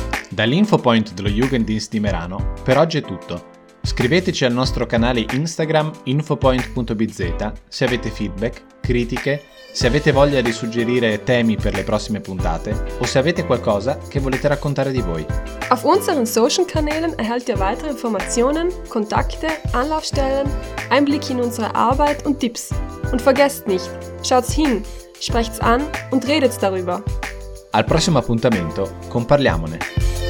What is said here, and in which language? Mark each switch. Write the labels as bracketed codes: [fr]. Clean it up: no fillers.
[it] Dall'InfoPoint dello Jugendienst di Merano per oggi è tutto. Scriveteci al nostro canale Instagram infopoint.bz se avete feedback, critiche, se avete voglia di suggerire temi per le prossime puntate o se avete qualcosa che volete raccontare di voi. [de] Auf unseren Social Kanälen erhält ihr weitere Informationen, Kontakte, Anlaufstellen, Einblick in unsere Arbeit und Tipps. Und vergesst nicht, schaut's hin, sprecht's an und redet's darüber. [it] Al prossimo appuntamento, con Parliamone!